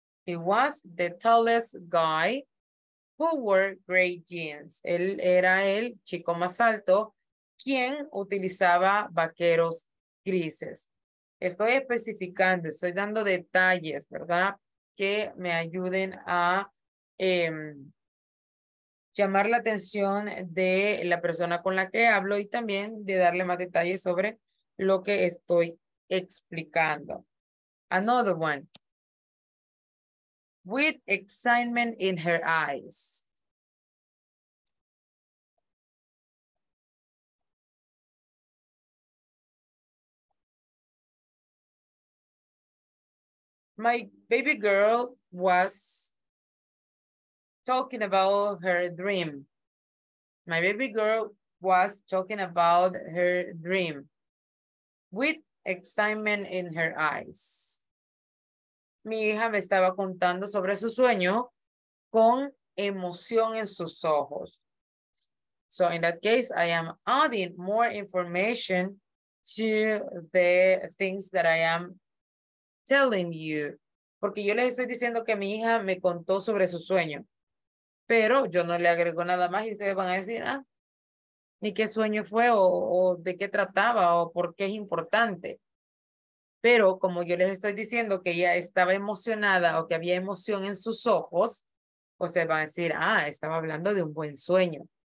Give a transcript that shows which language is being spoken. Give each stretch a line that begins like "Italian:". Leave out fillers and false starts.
English: He was the tallest guy who wore gray jeans.
Spanish: Él era el chico más alto quien utilizaba vaqueros grises. Estoy especificando, estoy dando detalles, ¿verdad? Que me ayuden a llamar la atención de la persona con la que hablo y también de darle más detalles sobre lo que estoy explicando.
English: Another one. With excitement in her eyes. My baby girl was talking about her dream. My baby girl was talking about her dream with excitement in her eyes.
Spanish: Mi hija me estaba contando sobre su sueño con emoción en sus ojos.
English: So in that case, I am adding more information to the things that I am telling you.
Spanish: Porque yo les estoy diciendo que mi hija me contó sobre su sueño. Pero yo no le agrego nada más y ustedes van a decir, ah, ni qué sueño fue o de qué trataba o por qué es importante. Pero como yo les estoy diciendo que ella estaba emocionada o que había emoción en sus ojos, ustedes van a decir, ah, estaba hablando de un buen sueño.